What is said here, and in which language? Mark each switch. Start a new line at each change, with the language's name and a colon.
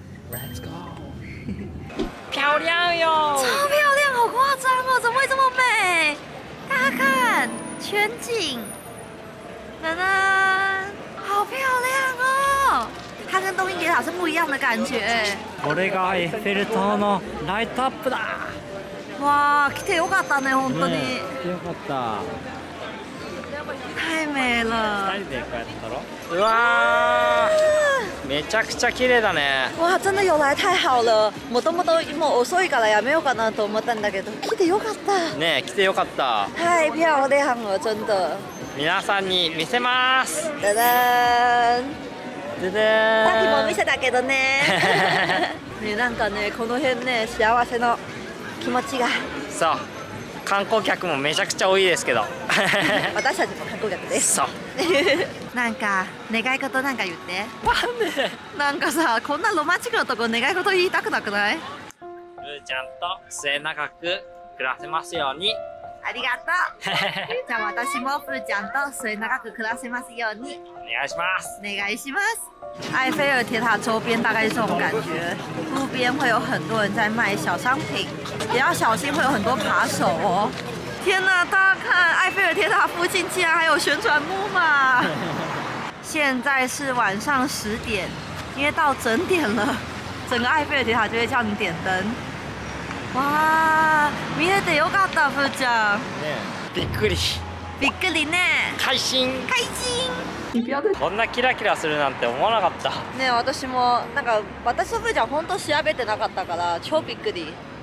English: Let's go。
Chinese: 漂亮哟，超漂亮，好夸张哦，怎么会这么美？大家看全景，噔噔，好漂亮哦！它跟东京铁塔是不一样的感觉。
Japanese: これがエッフェル塔のライトアップだ。哇，来てよかったね、本当に。よかった。
Chinese: 太美了。
Japanese: 二人で一回やったろ。うわめちゃくちゃ綺麗だね。
Chinese: 哇，真的有来太好了。
Japanese: もともともう遅いからやめようかなと思ったんだけど、来てよかった。ね、来てよかった。太漂亮了，真的。皆さんに見せます。ダダーン。でで。さっきも見せたけどね。ね、なんかね、この辺ね、幸せの気持ちが。そう。観光客もめちゃくちゃ多いですけど。私たちも観光客です。そう。なんか願い事なんか言って。わね。なんかさ、こんなロマンチックなとこ願い事言いたくなくない？ルーちゃんと末永く暮らせますように。ありがとう。じゃあ私もプーちゃんと末永く暮らせますように。お願いします。お願いします。
Chinese: 埃菲尔铁塔周边大概是这种感觉，路边会有很多人在卖小商品，也要小心会有很多扒手哦。天哪，大家看埃菲尔铁塔附近竟然还有旋转木马。现在是晚上十点，因为到整点了，整个埃菲尔铁塔就会叫你点灯。
Japanese: 哇，見えてよかった、ふーちゃん。ね、びっくり。びっくりね。
Chinese: 開心。開心。
Japanese: こんなキラキラするなんて思わなかった。ね、私もなんか私とふーちゃん本当調べてなかったから超びっくり。